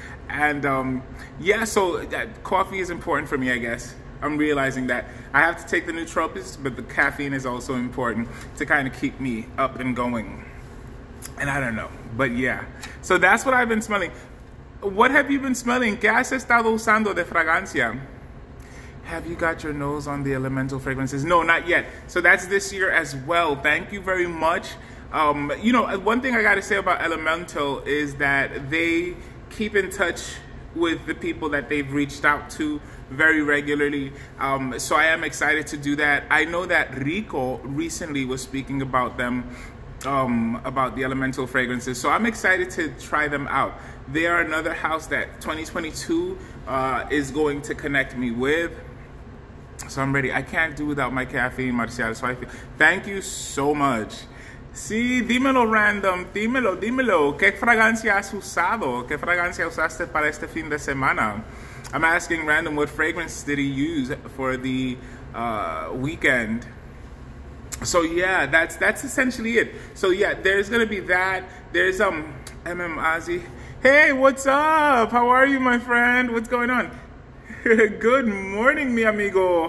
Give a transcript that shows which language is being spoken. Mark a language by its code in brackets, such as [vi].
[en] And yeah, so coffee is important for me, I guess. I'm realizing that I have to take the nootropics, but the caffeine is also important to kind of keep me up and going. And I don't know, but yeah. So that's what I've been smelling. What have you been smelling? [es] ¿Qué has estado usando de fragancia? [en] Have you got your nose on the elemental fragrances? No, not yet. So that's this year as well. Thank you very much. You know, one thing I got to say about elemental is that they keep in touch with the people that they've reached out to very regularly. So I am excited to do that. I know that Rico recently was speaking about them, about the elemental fragrances. So I'm excited to try them out. They are another house that 2022 is going to connect me with. So I'm ready. I can't do without my caffeine, Marcial. So I feel, thank you so much. [es] Sí, dímelo, random. Dímelo, dímelo. ¿Qué fragancia has usado? ¿Qué fragancia usaste para este fin de semana? [en] I'm asking random, what fragrance did he use for the weekend? So yeah, that's essentially it. So yeah, there's going to be that. There's MM Ozzy. Hey, what's up? How are you, my friend? What's going on? Good morning, [es] mi amigo.